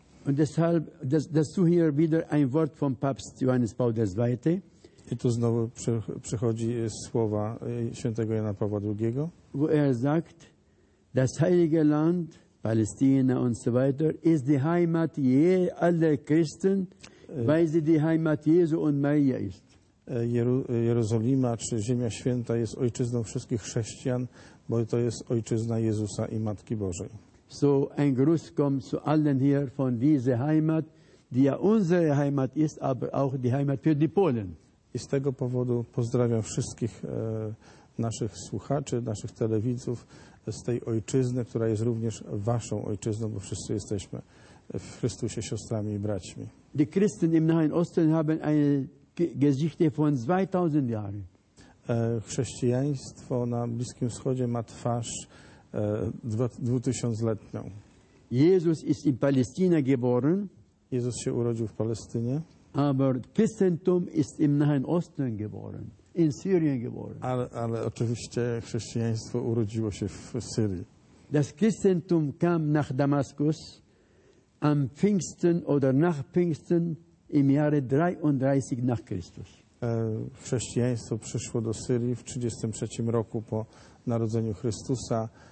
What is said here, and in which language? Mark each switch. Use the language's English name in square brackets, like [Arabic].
[German] Und deshalb, dass du hier wieder ein Wort vom Papst Johannes Paul II. [Polish] I tu znowu przychodzi słowa świętego Jana Pawła II. [German] Wo sagt, das Heilige Land, Palestina und so weiter, ist die Heimat aller Christen, weil sie die Heimat Jezu und Maria ist. [Polish] Jerozolima, czy Ziemia Święta, jest ojczyzną wszystkich chrześcijan, bo to jest ojczyzna Jezusa i Matki Bożej. [German] So ein Gruß kommt zu allen hier von dieser Heimat, die ja unsere Heimat ist, aber auch die Heimat für die Polen. [Polish] I z tego powodu pozdrawiam wszystkich naszych słuchaczy, naszych telewidzów z tej ojczyzny, która jest również waszą ojczyzną, bo wszyscy jesteśmy w Chrystusie siostrami i braćmi. [German] Die Christen im Nahen Osten haben eine Geschichte von 2000 Jahren. [Polish] Chrześcijaństwo na Bliskim Wschodzie ma twarz 2000-letnią. [German] Jezus ist in Palästina geboren. [Polish] Jezus się urodził w Palestynie. [German] Aber Christentum ist im Nahen Osten geboren, in Syrien geboren. [Polish] Ale oczywiście chrześcijaństwo urodziło się w Syrii. [German] Das Christentum kam nach Damaskus am Pfingsten oder nach Pfingsten im Jahre 33 nach Christus. [Polish] Chrześcijaństwo przyszło do Syrii w 33 roku po narodzeniu Chrystusa.